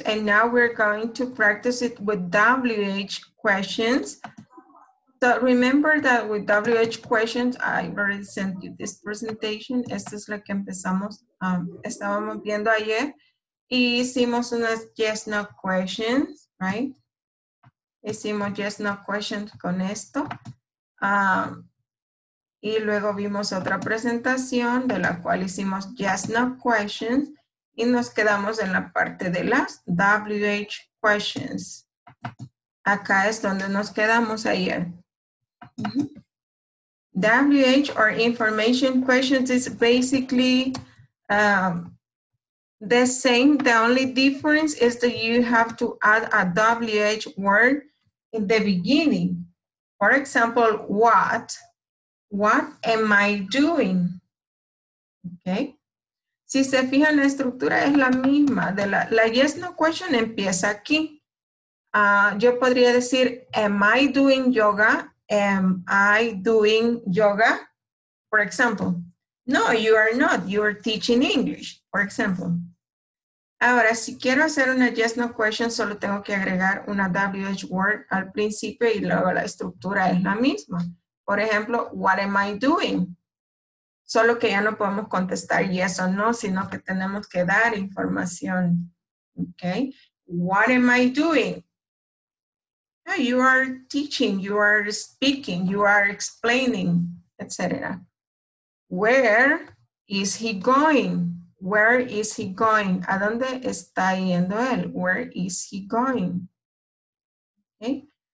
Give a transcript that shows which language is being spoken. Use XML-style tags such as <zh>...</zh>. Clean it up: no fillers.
<en>And now we're going to practice it with WH questions. So remember that with WH questions, I already sent you this presentation.</en> <es>Esto es lo que empezamos, estábamos viendo ayer. Y hicimos unas</es> <en>yes, no questions, right?</en> <es>Hicimos</es> <en>yes, no questions</en> <es>con esto. Y luego vimos otra presentación de la cual hicimos</es> <en>yes, no questions.</en> <es>Y nos quedamos en la parte de las WH questions. Acá es donde nos quedamos ayer.</es> <en>WH or information questions is basically the same. The only difference is that you have to add a WH word in the beginning. For example, what? What am I doing? Okay.</en> <es>Si se fijan, la estructura es la misma. De la</es> <en>yes, no question</en> <es>empieza aquí. Yo podría decir,</es> <en>am I doing yoga? Am I doing yoga? For example, no, you are not. You are teaching English, for example.</en> <es>Ahora, si quiero hacer una</es> <en>yes, no question,</en> <es>solo tengo que agregar una</es> <en>WH word</en> <es>al principio y luego la estructura es la misma. Por ejemplo,</es> <en>what am I doing?</en> <es>Solo que ya no podemos contestar yes o no, sino que tenemos que dar información.</es> <en>Okay. What am I doing? Yeah, you are teaching, you are speaking, you are explaining, etc. Where is he going? Where is he going?</en> <es>¿A dónde está yendo él?</es> <en>Where is he going? Okay.</en>